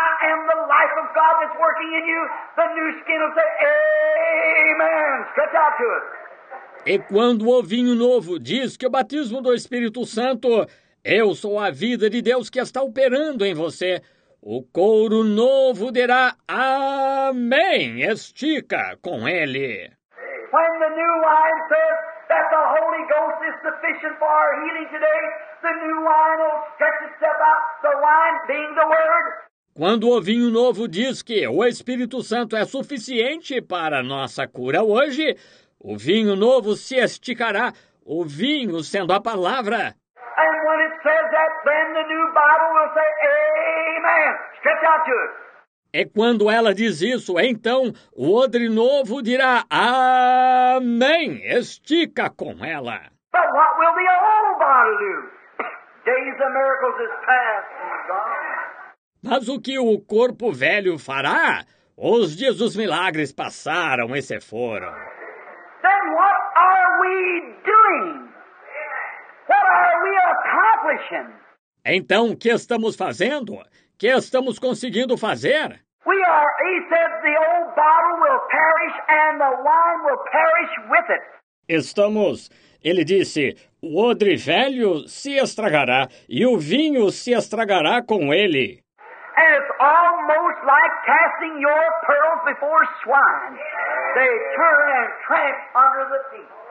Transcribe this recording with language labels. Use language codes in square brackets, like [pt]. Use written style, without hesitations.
[en] am the life of God that's working in you, the new skin will say, Amen. Stretch out to it. [pt] E quando o vinho novo diz que o batismo do Espírito Santo, eu sou a vida de Deus que está operando em você, o couro novo dirá, Amém, estica com ele. [en] When the new wine says that the Holy Ghost is sufficient for our healing today, the new wine will stretch itself out, the wine being the word. [pt] Quando o vinho novo diz que o Espírito Santo é suficiente para nossa cura hoje, o vinho novo se esticará, o vinho sendo a palavra. [en] And when it says that, then the new Bible will say, Amen. Stretch out to it. [pt] E quando ela diz isso, então o odre novo dirá, Amém. Estica com ela. [en] But what will the old Bible do? Days of miracles is past. [pt] Mas o que o corpo velho fará? Os dias dos milagres passaram e se foram. [en] Then what are we doing? What are we accomplishing? [pt] Então, o que estamos fazendo? Que estamos conseguindo fazer? [en] We are, he said, the old bottle will perish and the wine will perish with it. [pt] Estamos, ele disse, o odre velho se estragará e o vinho se estragará com ele. [en] And it's almost like casting your pearls before swine. They turn and tramp under the feet.